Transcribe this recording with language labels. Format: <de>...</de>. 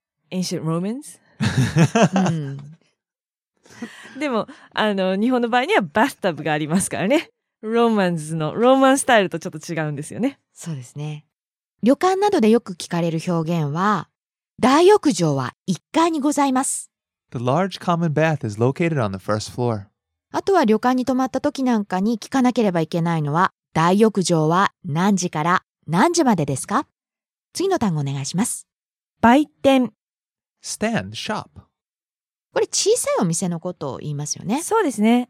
<en>Ancient Romans?</en> <ja>、うん、でも、あの、日本の場合にはバスタブがありますからね。ローマンズの、ローマンスタイルとちょっと違うんですよね。そうですね。旅館などでよく聞かれる表現は、大浴場は1階にございます。</ja> <en>The large common bath is located on the first floor.</en> <ja>あとは旅館に泊まった時なんかに聞かなければいけないのは、大浴場は何時から何時までですか？次の単語お願いします。売店。</ja> <en>Stand shop.</en> <ja>これ小さいお店のことを言いますよね。そうですね。</ja>